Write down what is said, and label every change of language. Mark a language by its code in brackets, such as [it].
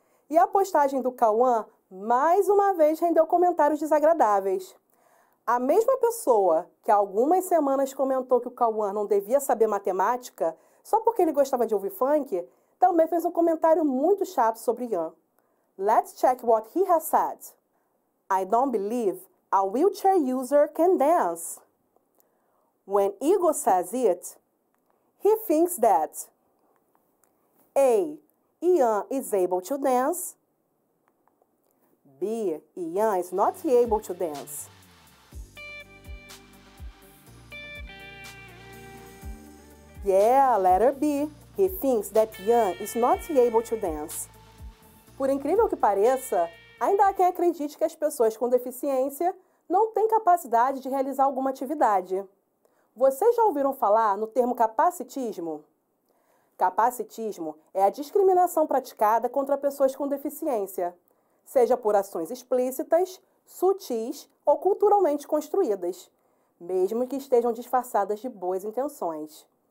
[pt] E a postagem do Cauã, mais uma vez, rendeu comentários desagradáveis. A mesma pessoa que há algumas semanas comentou que o Cauã não devia saber matemática só porque ele gostava de ouvir funk, também fez um comentário muito chato sobre Ian. [en] Let's check what he has said. I don't believe a wheelchair user can dance. When Igor says it, he thinks that A. Ian is able to dance. B. Ian is not able to dance. Yeah, letter B. He thinks that Ian is not able to dance. [pt] Por incrível que pareça, ainda há quem acredite que as pessoas com deficiência não têm capacidade de realizar alguma atividade. Vocês já ouviram falar no termo capacitismo? Capacitismo é a discriminação praticada contra pessoas com deficiência, seja por ações explícitas, sutis ou culturalmente construídas, mesmo que estejam disfarçadas de boas intenções.